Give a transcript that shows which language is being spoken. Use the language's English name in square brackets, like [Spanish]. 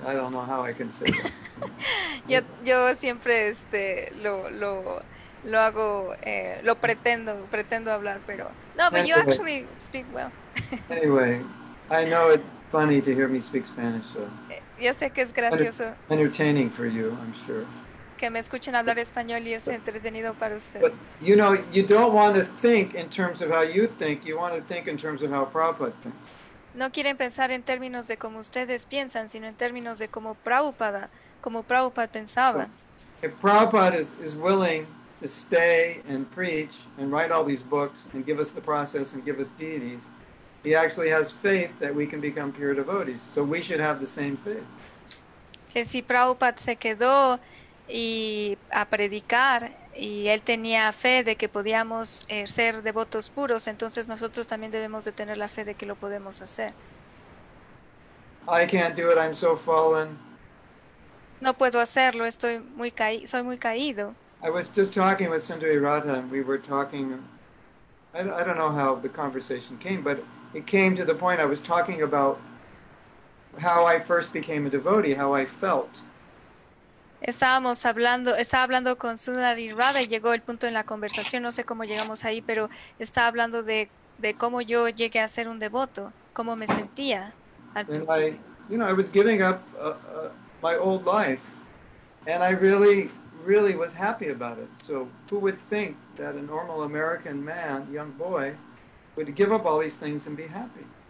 [English] I don't know how I can say that. [Spanish] Yo siempre lo hago, lo pretendo hablar, pero no, [English] but you actually speak well. Anyway, I know it's funny to hear me speak Spanish, so. [Spanish] Yo sé que es gracioso. [English] Entertaining for you, I'm sure. [Spanish] Que me escuchen hablar español y es entretenido para ustedes. [English] But, you know, you don't want to think in terms of how you think, you want to think in terms of how Prabhupada thinks. [Spanish] No quieren pensar en términos de cómo ustedes piensan, sino en términos de cómo Prabhupada, como Prabhupada pensaba. [English] If Prabhupada is willing to stay and preach and write all these books and give us the process and give us deities, he actually has faith that we can become pure devotees. So we should have the same faith. [Spanish] Que si Prabhupada se quedó y a predicar y él tenía fe de que podíamos ser devotos puros, entonces nosotros también debemos de tener la fe de que lo podemos hacer. [English] I can't do it, I'm so fallen. [Spanish] No puedo hacerlo, soy muy caído. [English] I was just talking with Sundari Radha and we were talking, I don't know how the conversation came, but it came to the point I was talking about how I first became a devotee, how I felt. [Spanish] Estaba hablando con Sundari Radha y llegó el punto en la conversación, no sé cómo llegamos ahí, pero estaba hablando de cómo yo llegué a ser un devoto, cómo me sentía al principio. [English] I was giving up my old life, and I really, really was happy about it. So who would think that a normal American man, young boy, would give up all these things and be happy?